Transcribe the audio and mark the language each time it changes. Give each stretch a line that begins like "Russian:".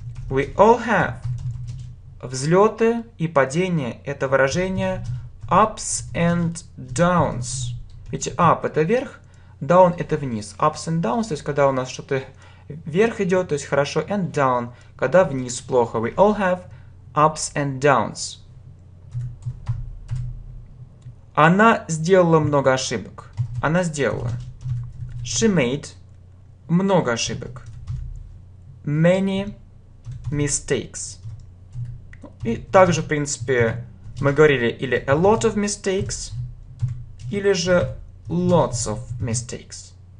English: We all have.
Russian: Взлеты и падения – это выражение
English: ups and downs.
Russian: Видите, up – это вверх, down – это вниз.
English: Ups and downs
Russian: – то есть, когда у нас что-то вверх идет, то есть хорошо,
English: and down
Russian: – когда вниз плохо.
English: We all have ups and downs.
Russian: Она сделала много ошибок. Она сделала.
English: She made
Russian: много ошибок.
English: Many mistakes.
Russian: И также, в принципе, мы говорили или
English: a lot of mistakes,
Russian: или же
English: lots of mistakes.